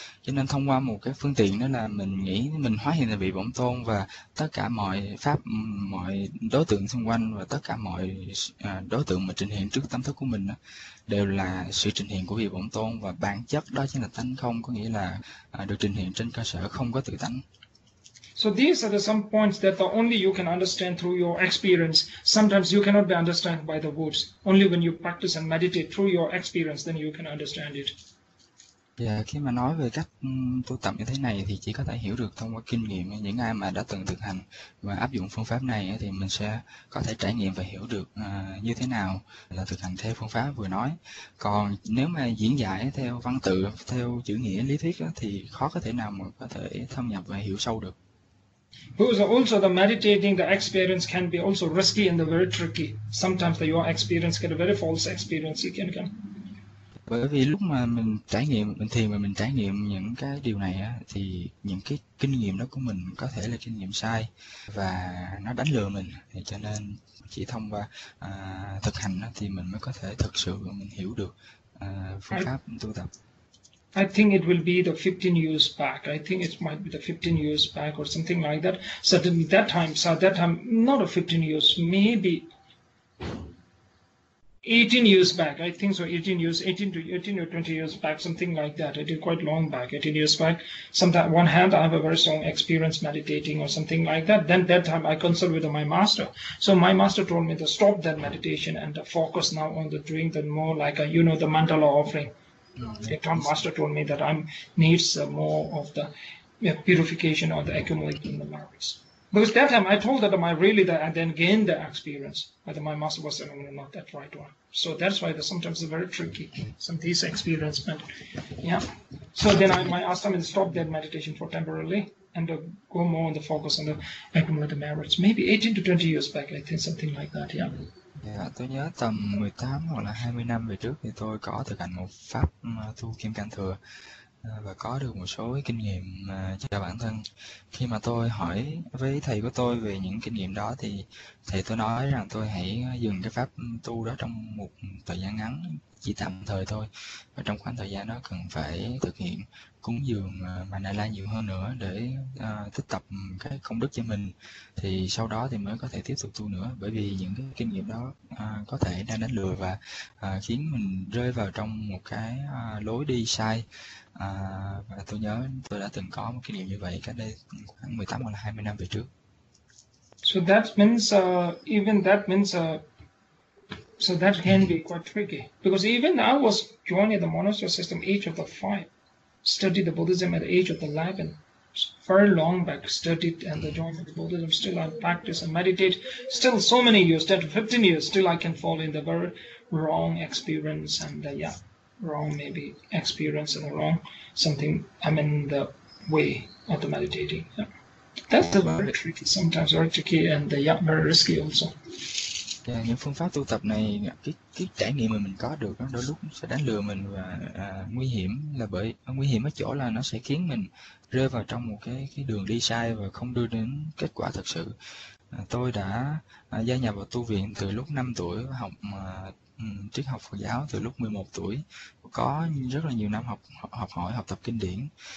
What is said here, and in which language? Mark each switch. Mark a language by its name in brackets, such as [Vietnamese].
[Vietnamese] Cho nên thông qua một cái phương tiện đó là mình nghĩ mình hóa hiện là vị bổn tôn, và tất cả mọi pháp, mọi đối tượng xung quanh và tất cả mọi đối tượng mà trình hiện trước tâm thức của mình đó, đều là sự trình hiện của vị bổn tôn, và bản chất đó chính là tánh không, có nghĩa là được trình hiện trên cơ sở không có tự tánh. [English] So these are the some points that the only you can understand through your experience. Sometimes you cannot be understood by the words. Only when you practice and meditate through your experience, then you can understand it. [Vietnamese] Yeah, khi mà nói về cách tu tập như thế này thì chỉ có thể hiểu được thông qua kinh nghiệm. Những ai mà đã từng thực hành và áp dụng phương pháp này thì mình sẽ có thể trải nghiệm và hiểu được như thế nào là thực hành theo phương pháp vừa nói. Còn nếu mà diễn giải theo văn tự, theo chữ nghĩa lý thuyết thì khó có thể nào mà có thể thâm nhập và hiểu sâu được. [English] Who's also the meditating, the experience can be also risky and the very tricky. Sometimes your experience get a very false experience. You can come. [Vietnamese] Bởi vì lúc mà mình trải nghiệm, mình thiền mà mình trải nghiệm những cái điều này á, thì những cái kinh nghiệm đó của mình có thể là kinh nghiệm sai và nó đánh lừa mình. Thì cho nên chỉ thông qua thực hành á, thì mình mới có thể thực sự mình hiểu được phương pháp tu tập. [English] I think it will be the 15 years back. I think it might be the 15 years back or something like that. So that time, not a 15 years, maybe 18 years back. I think so, 18 years, 18 to 18 or 20 years back, something like that. I did quite long back, 18 years back. Sometimes one hand, I have a very strong experience meditating or something like that. Then that time I consult with my master. So my master told me to stop that meditation and to focus now on the doing the more like, the mandala offering. The Tantra master told me that I'm needs more of the purification or the accumulating the merits. Because that time I told that I really that I then gained the experience, but my master was not that right one. So that's why sometimes it's very tricky, some of these experiences. Yeah. So then my ashram is stop that meditation for temporarily and go more on the focus on the accumulated merits. Maybe 18 to 20 years back, I think something like that. Yeah. [Vietnamese] Dạ, tôi nhớ tầm 18 hoặc là 20 năm về trước thì tôi có thực hành một pháp tu kim cang thừa và có được một số kinh nghiệm cho bản thân. Khi mà tôi hỏi với thầy của tôi về những kinh nghiệm đó thì thầy tôi nói rằng tôi hãy dừng cái pháp tu đó trong một thời gian ngắn, chỉ tạm thời thôi, và trong khoảng thời gian đó cần phải thực hiện cúng dường mà Na La nhiều hơn nữa để tích tập cái công đức cho mình, thì sau đó thì mới có thể tiếp tục tu nữa, bởi vì những cái kinh nghiệm đó có thể đang đánh lừa và khiến mình rơi vào trong một cái lối đi sai. Và tôi nhớ tôi đã từng có một kinh nghiệm như vậy cách đây khoảng 18 hoặc là 20 năm về trước. [English] So that means even that means so that can be quite tricky, because even I was joining the monastery system age of the 5, studied the Buddhism at the age of the 11, very long back, studied and the joined the Buddhism, still I practice and meditate still so many years, 10 to 15 years, still I can fall in the very wrong experience and wrong maybe experience and wrong something, I mean the way of the meditating. That's a very tricky, sometimes very tricky and very risky also. [Vietnamese] Và những phương pháp tu tập này, cái trải nghiệm mà mình có được đó, đôi lúc sẽ đánh lừa mình, và nguy hiểm là bởi nguy hiểm ở chỗ là nó sẽ khiến mình rơi vào trong một cái đường đi sai và không đưa đến kết quả thật sự. Tôi đã gia nhập vào tu viện từ lúc 5 tuổi, học triết học Phật giáo từ lúc 11 tuổi, có rất là nhiều năm học học hỏi học tập kinh điển,